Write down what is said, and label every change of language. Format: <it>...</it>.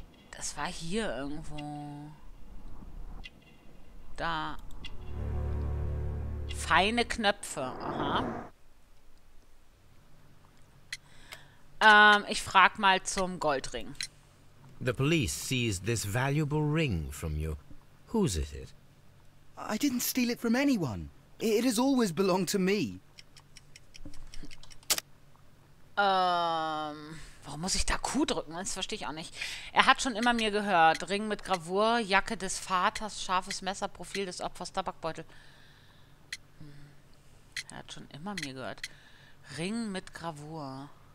<de>Das war hier irgendwo. Da. Feine Knöpfe. Aha. Ich frag mal zum Goldring.</de> <en>The police seized this valuable ring from you. Whose is it? I didn't steal it from anyone. It has always belonged to me.</en> <de>Warum muss ich da Q drücken? Das verstehe ich auch nicht. Er hat schon immer mir gehört. Ring mit Gravur, Jacke des Vaters, scharfes Messer, Profil des Opfers, Tabakbeutel. Er hat schon immer mir gehört. Ring mit Gravur.</de>